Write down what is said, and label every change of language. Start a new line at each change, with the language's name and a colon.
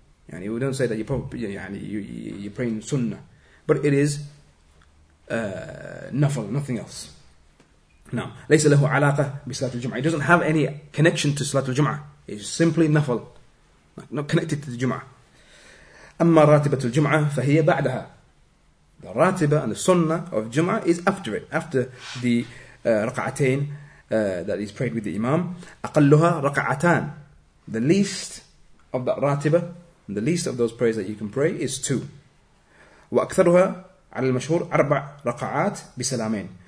English: يعني we don't say that you're praying sunnah. But it is nafal, nothing else.
Arabic: Now, ليس له علاقة بصلاة الجمعة.
English: It doesn't have any connection to صلاة الجمعة. It's simply nafal, not connected to the جمعة.
Arabic: أما راتبة الجمعة فهي بعدها.
English: The ratiba and the sunnah of جمعة is after it, after the ركعتين that is prayed with the imam.
Arabic: أقلها ركعتان.
English: The least of that ratiba, the least of those prayers that you can pray is two.
Arabic: وأكثرها على المشهور أربع ركعات بسلامين.